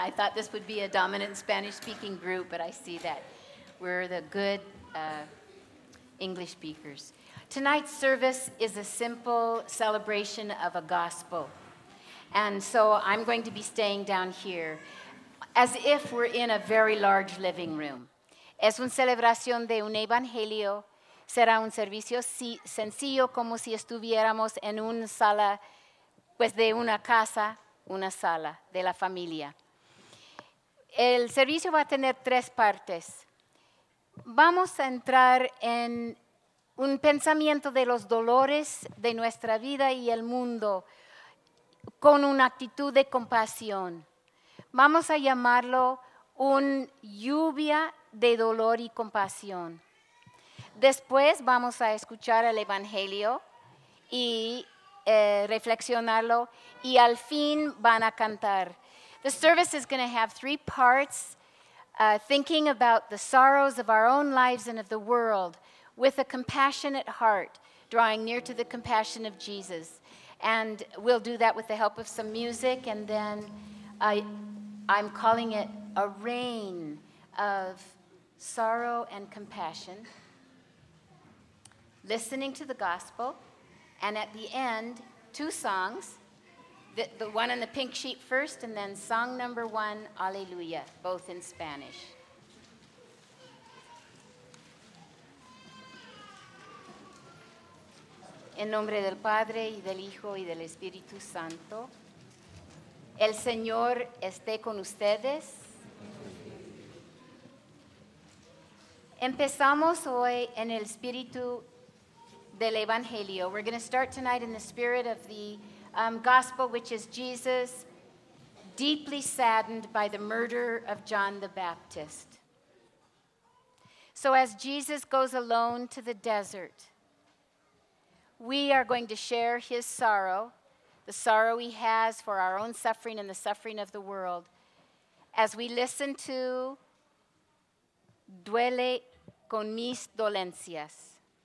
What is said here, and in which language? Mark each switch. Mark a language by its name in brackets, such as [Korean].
[English] I thought this would be a dominant Spanish-speaking group, but I see that we're the good English speakers. Tonight's service is a simple celebration of a gospel. And so I'm going to be staying down here as if we're in a very large living room. [Spanish] Es una celebración de un evangelio. Será un servicio sencillo como si estuviéramos en una sala, pues de una casa, una sala de la familia. El servicio va a tener tres partes. Vamos a entrar en un pensamiento de los dolores de nuestra vida y el mundo con una actitud de compasión. Vamos a llamarlo una lluvia de dolor y compasión. Después vamos a escuchar el Evangelio y reflexionarlo, y al fin van a cantar. [English] The service is going to have three parts, thinking about the sorrows of our own lives and of the world with a compassionate heart, drawing near to the compassion of Jesus. And we'll do that with the help of some music, and then I'm calling it a rain of sorrow and compassion, listening to the gospel, and at the end, two songs, the one on the pink sheet first, and then song number one, Alleluia, both in Spanish. [Spanish] En nombre del Padre, y del Hijo, y del Espíritu Santo, el Señor esté con ustedes. Empezamos hoy en el Espíritu del Evangelio. [English] We're going to start tonight in the spirit of the gospel, which is Jesus deeply saddened by the murder of John the Baptist. So as Jesus goes alone to the desert, we are going to share his sorrow, the sorrow he has for our own suffering and the suffering of the world, as we listen to Duele con mis dolencias.